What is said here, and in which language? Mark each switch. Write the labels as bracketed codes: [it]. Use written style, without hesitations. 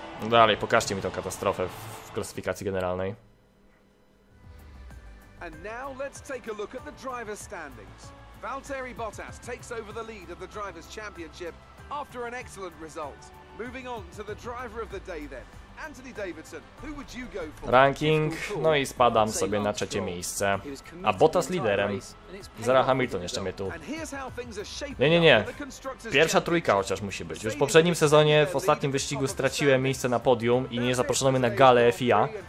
[pl] Dalej, pokażcie mi tą katastrofę w klasyfikacji generalnej. [en] And now let's take a look at the driver standings. Valtteri Bottas takes over the lead of the drivers championship after an excellent result. Moving on to the driver of the day then. Anthony Davidson, who would you go for? [pl] Ranking. No i spadam sobie na trzecie miejsce. A Bottas liderem. Zara Hamilton jeszcze mnie tu. Nie. Pierwsza trójka chociaż musi być. Już w poprzednim sezonie, w ostatnim wyścigu straciłem miejsce na podium i nie zaproszono mnie na galę FIA.